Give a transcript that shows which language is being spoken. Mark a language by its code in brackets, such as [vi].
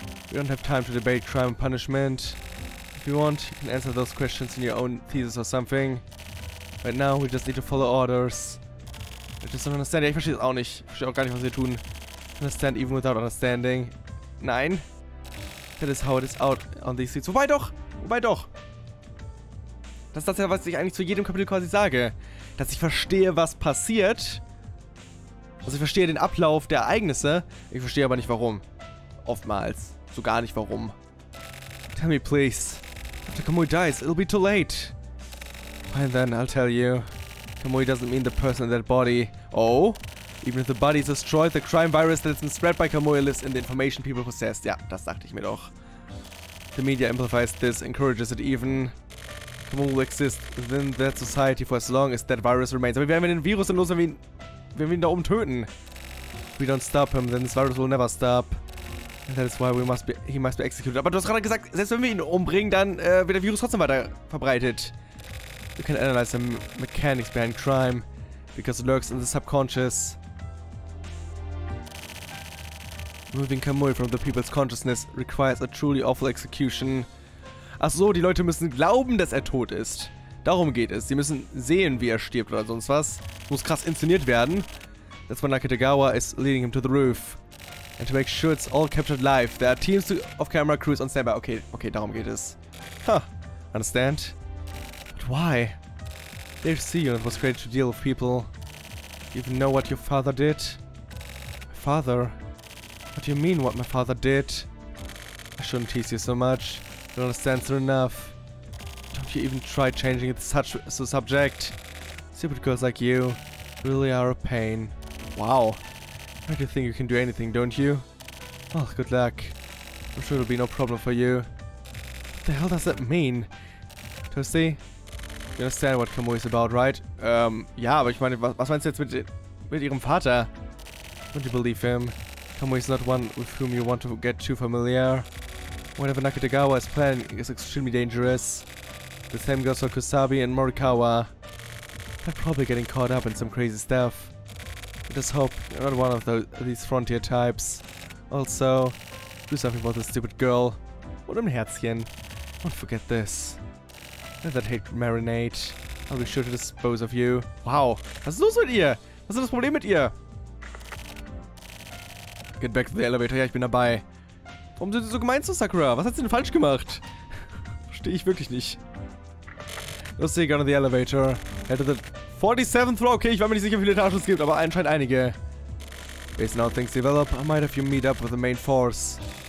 [en] We don't have time to debate crime and punishment. If you want, you can answer those questions in your own thesis or something. Right now, we just need to follow orders. I just don't understand. [de] Ja, ich verstehe es auch nicht. Ich verstehe auch gar nicht, was wir tun. [en] Understand even without understanding. [de] Nein. [en] That is how it is out on these streets. [de] Wobei doch. Das ist das ja, was ich eigentlich zu jedem Kapitel quasi sage. Dass ich verstehe, was passiert. Also ich verstehe den Ablauf der Ereignisse. Ich verstehe aber nicht, warum. Oftmals. So gar nicht, warum. [en] Tell me, please. After Kamui dies, it'll be too late. Fine then, I'll tell you. Kamui doesn't mean the person in that body. Oh? Even if the body is destroyed, the crime virus that's been spread by Kamui lives in the information people possessed. [de] Ja, das dachte ich mir doch. [en] The media amplifies this, encourages it even. Kamui will exist within that society for as long as that virus remains. [de] Aber wie werden wir den Virus denn los, wenn wir ihn da oben töten? [en] If we don't stop him, then this virus will never stop. And that is why he must be executed. [de] Aber du hast gerade gesagt, selbst wenn wir ihn umbringen, dann wird der Virus trotzdem weiter verbreitet. [en] You can analyze the mechanics behind crime. Because it lurks in the subconscious. Removing Kamui from the people's consciousness requires a truly awful execution. [de] Ach so, die Leute müssen glauben, dass er tot ist. Darum geht es. Sie müssen sehen, wie er stirbt oder sonst was. Muss krass inszeniert werden. [en] That's why Nakatagawa is leading him to the roof. And to make sure it's all captured live, there are teams of camera crews on standby. [de] Okay, okay, darum geht es. Huh, [en] understand? But why? They see you and it was great to deal with people. You even know what your father did? My father? What do you mean what my father did? I shouldn't tease you so much. You don't understand soon enough. Don't you even try changing it to such a subject. Stupid girls like you really are a pain. Wow. Make you think you can do anything, don't you? Well, good luck. I'm sure it'll be no problem for you. What the hell does that mean? Toasty? You understand what Kamui is about, right? [de] Ja, aber ich meine, was meinst du jetzt mit ihrem Vater? [en] Don't you believe him? Kamui is not one with whom you want to get too familiar. Whatever Nakatagawa is planning is extremely dangerous. The same goes for Kusabi and Morikawa. They're probably getting caught up in some crazy stuff. I just hope you're not one of these frontier types. Also, do something about this stupid girl. [de] Und im Herzchen. [en] Don't forget this. Let that hate marinate. I'll be sure to dispose of you. [de] Wow, was ist los mit ihr? Was ist das Problem mit ihr? [en] Get back to the elevator. [de] Ja, ich bin dabei. Warum sind sie so gemein zu Sakura? Was hat sie denn falsch gemacht? Verstehe ich wirklich nicht. [en] Let's see, go to the elevator. Head to the 47th floor. [de] Okay, ich war mir nicht sicher, wie viele Etagen es gibt, aber anscheinend einige. [en] Based on how things develop, I might have you meet up with the main force.